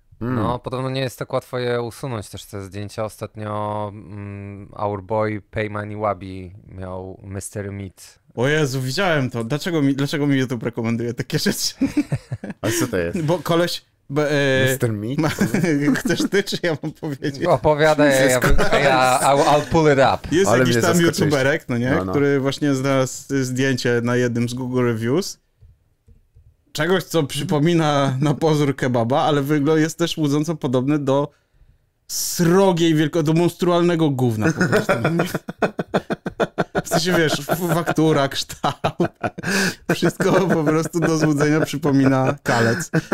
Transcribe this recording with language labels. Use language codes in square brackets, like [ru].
[pl] No, podobno nie jest tak łatwo je usunąć też te zdjęcia. Ostatnio Our Boy Paymani Wabi miał Mr. Meat. O Jezu, widziałem to. Dlaczego mi YouTube rekomenduje takie rzeczy? A co to jest? Bo koleś, Mr. Meat? Chcesz ty, czy ja mam powiedzieć? Opowiadaj, [en] I'll pull it up. [pl] Jest ale jakiś tam youtuberek, no nie? No, no. Który właśnie znalazł zdjęcie na jednym z Google Reviews. Czegoś, co przypomina na pozór kebaba, ale wygląd jest też łudząco podobne do srogiej, do monstrualnego gówna po prostu. W sensie, wiesz, faktura, kształt, wszystko po prostu do złudzenia przypomina kalec.